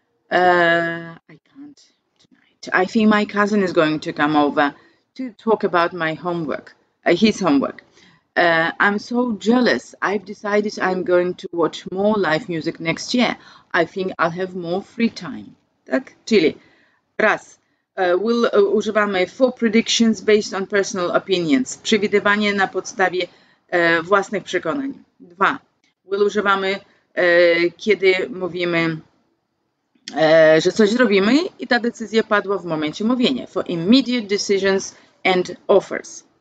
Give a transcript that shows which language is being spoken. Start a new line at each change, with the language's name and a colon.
English: I can't tonight. I think my cousin is going to come over to talk about my homework, his homework. I'm so jealous. I've decided I'm going to watch more live music next year. I think I'll have more free time.
Polish: Tak? Czyli raz. Używamy
English: four predictions based on personal opinions.
Polish: Przewidywanie na podstawie własnych przekonań. Dwa. Will używamy, kiedy mówimy, że coś zrobimy i ta decyzja padła w momencie mówienia.
English: For immediate decisions and offers.